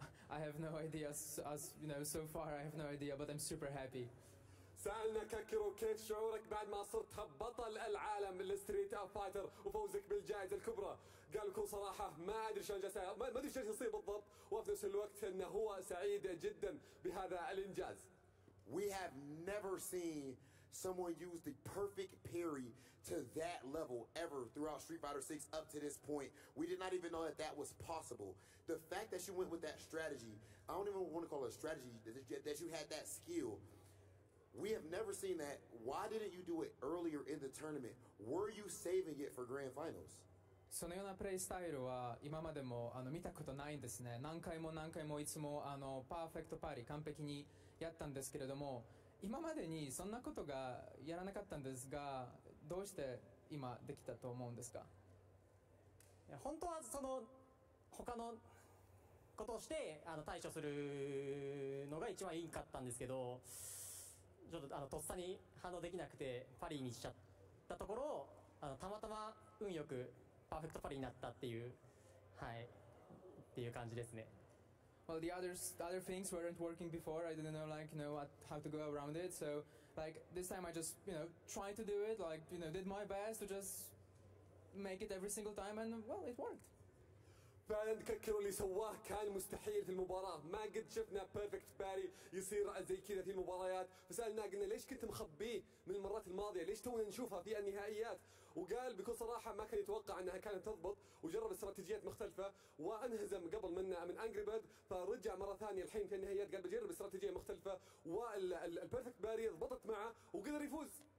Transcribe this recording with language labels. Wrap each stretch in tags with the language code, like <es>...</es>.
<en>I have no idea as you know so far. I have no idea, but I'm super happy.</en> <ar>سألنا كاكيرو كيف شعورك بعد ما صرت بطل العالم للستريت فايتر وفوزك بالجائزة الكبرى قال بكل صراحة ما أدري شلون جالس ما أدري شلون يصير بالضبط وفي نفس الوقت إنه هو سعيد جدا بهذا الإنجاز.</ar> <en>We have never seen someone use the perfect parry to that level ever throughout Street Fighter 6 up to this point. We did not even know that that was possible. The fact that you went with that strategy, I don't even want to call it a strategy, that you had that skill. We have never seen that. Why didn't you do it earlier in the tournament? Were you saving it for grand finals?</en> <ja>そのようなプレイスタイルは今までも見たことないんですね。何回も何回もいつもパーフェクトパーリー完璧にやったんですけれども、今までにそんなことがやらなかったんですが、どうして今できたと思うんですか？本当はその他のことをして対処するのが一番いいかったんですけど、ちょっととっさに反応できなくてパリにしちゃったところをたまたま運よくパーフェクトパリになったっていう、はい、っていう感じですね。</ja> <en>Well, the other things weren't working before. I didn't know like, you know, how to go around it. So like this time I just, you know, tried to do it, like, you know, did my best to just make it every single time and well, it worked.</en> <ar>فعلا كاكيرو اللي سواه كان مستحيل في المباراة ما قد شفنا بيرفكت باري يصير زي كذا في المباريات فسألنا قلنا ليش كنت مخبيه من المرات الماضية ليش تونا نشوفها في النهائيات وقال بكل صراحة ما كان يتوقع أنها كانت تضبط وجرب استراتيجيات مختلفة وانهزم قبل من أنجري بيرد فرجع مرة ثانية الحين في النهائيات قال بجرب استراتيجية مختلفة والبيرفكت باري ضبطت معه وقدر يفوز.</ar>